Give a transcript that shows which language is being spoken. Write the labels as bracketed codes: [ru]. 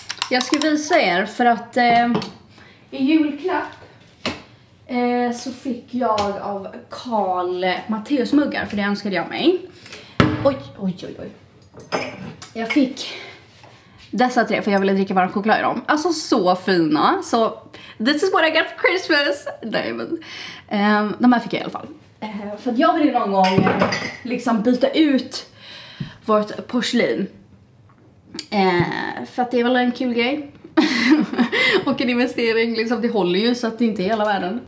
[sv] Jag ska visa er för att i julklapp så fick jag av Carl Matteus muggar, för det önskade jag mig. Oj. Jag fick dessa tre för jag ville dricka varm choklad i dem. Alltså så fina. Så [en] this is what I got for Christmas. [sv] Nej, men, de här fick jag i alla fall. För att jag vill ju någon gång liksom byta ut vårt porslin. För att det är väl en kul grej. Och en investering liksom, det håller ju så att det inte är hela världen.